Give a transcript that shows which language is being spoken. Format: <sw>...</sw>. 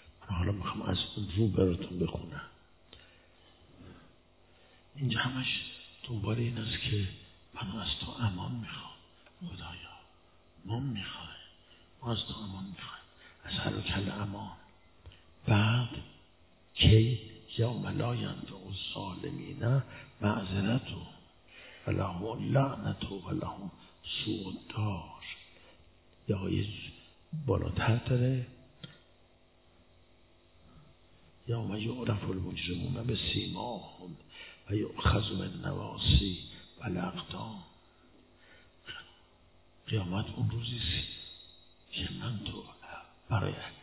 <fa>من حالا میخوام از اون رو براتون بخونم. اینجا همش دنبال این است که من از تو امان میخوام خدایا، ما از تو امان میخوام، از هر کل امان. بعد کی</fa> <ar>یوم لا ینفع الظالمین معذرته و لهم لعنت و لهم سوء الدار.</ar> <fa>یه های بالاتر داره،</fa> <ar>یوم یعرف المجرمون به سیماهم و یؤخذ من النواصی و الاقدام.</ar> <fa>قیامت اون روزی است که من تو برای</fa>